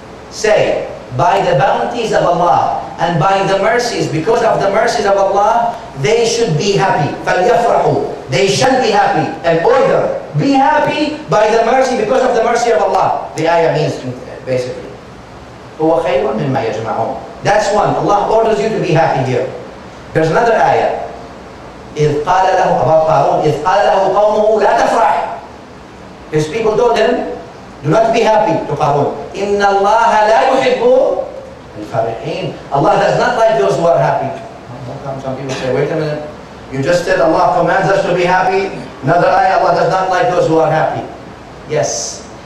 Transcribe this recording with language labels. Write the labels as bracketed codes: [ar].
[en] Say, by the bounties of Allah and by the mercies, because of the mercies of Allah, they should be happy. [ar] فَلْيَفْرَحُ. [en] They shall be happy. And order, be happy by the mercy, because of the mercy of Allah. The ayah means basically. [ar] هُوَ خَيْرٌ مِمَّا يَجْمَعُونَ. [en] That's one. Allah orders you to be happy here. There's another ayah. [ar] إذ قال له أبو قارون إذ قال له قومه لا تفرح. [en] His people told him, do not be happy to قارون. [ar] إن الله لا يحب الفرحين. [en] Allah does not like those who are happy. Some people say, wait a minute, you just said Allah commands us to be happy. Another ayah, Allah does not like those who are happy. Yes.